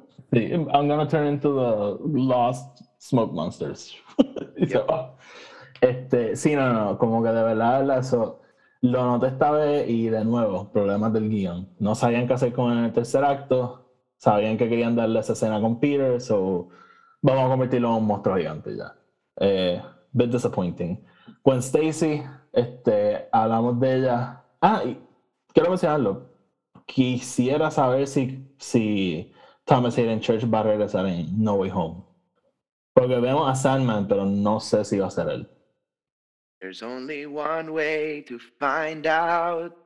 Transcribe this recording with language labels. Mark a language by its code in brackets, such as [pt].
[en] Sí, I'm gonna turn into the lost smoke monsters. Yep. [es] So, no, como que de verdad eso lo noté esta vez y de nuevo, problemas del guión. No sabían qué hacer con el tercer acto, sabían que querían darle esa escena con Peter, so vamos a convertirlo en un monstruo gigante ya. [en] Bit disappointing. [es] Gwen Stacy, hablamos de ella. Ah, y quiero mencionarlo. Quisiera saber si Thomas Hayden Church va a regresar en No Way Home. Porque vemos a Sandman, pero no sé si va a ser él. [en] There's only one way to find out.